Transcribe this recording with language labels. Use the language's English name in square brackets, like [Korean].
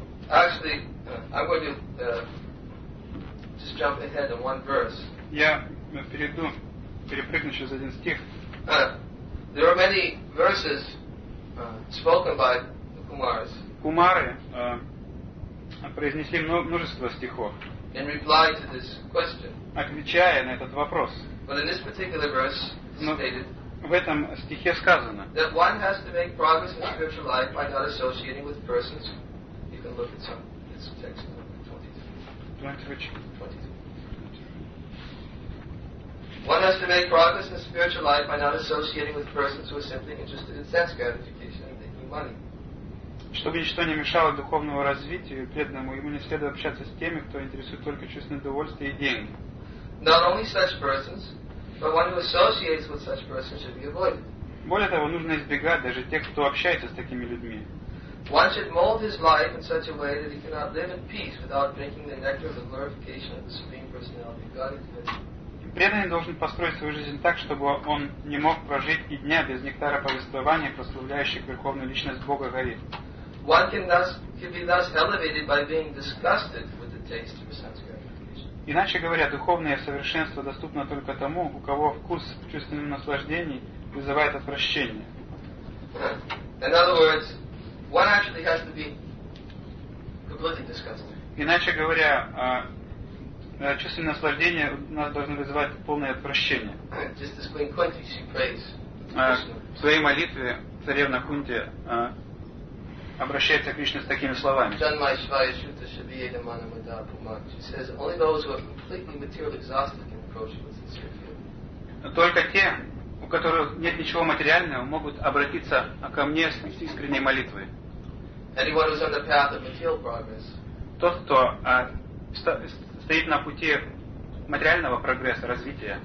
[English] Actually, I'm going to just jump ahead in one verse. [Russian] Я перепрыгну через один стих. [English] There are many verses spoken by the Kumaras. [Russian] Кумары произнесли множество стихов. [English] In reply to this question. [Russian] Отвечая на этот вопрос. [English] But in this particular verse stated. [Russian] В этом стихе сказано, [English] that one has to make progress in spiritual life by not associating with persons. You can look at some. It's text number 22. One has to make progress in spiritual life by not associating with persons who are simply interested in sense gratification and making money. [Russian] Чтобы ничто не мешало духовному развитию преданному, ему не следует общаться с теми, кто интересует только чувственное удовольствие и деньги. [English] Not only such persons, but one who associates with such persons should be avoided. [Russian] Более того, нужно избегать даже тех, кто общается с такими людьми. [English] One should mold his life in such a way that he cannot live in peace without drinking the nectar of the glorification of the Supreme Personality of Godhead. [Russian] Преданный должен построить свою жизнь так, чтобы он не мог прожить и дня без нектара повествования, прославляющих Верховную Личность Бога Гори. [English] One can be thus elevated by being disgusted with the taste of sense gratification. [Russian] Иначе говоря, духовное совершенство доступно только тому, у кого вкус в чувственном наслаждении вызывает отвращение. [English] In other words, one actually has to be completely disgusted. [Russian] Иначе говоря, чувственное наслаждение у нас должно вызывать полное отвращение. [English] Just as Queen Kunti, she prays. [Russian] В своей молитве царевна Кунти обращается к Кришне с такими словами. [English] She says, only those who are completely materially exhausted can approach him with sincere feeling. [Russian] Только те, у которых нет ничего материального, могут обратиться ко мне с искренней молитвой. [English] Anyone who's on the path of material progress. [Russian] Тот, кто стоит на пути материального прогресса, развития.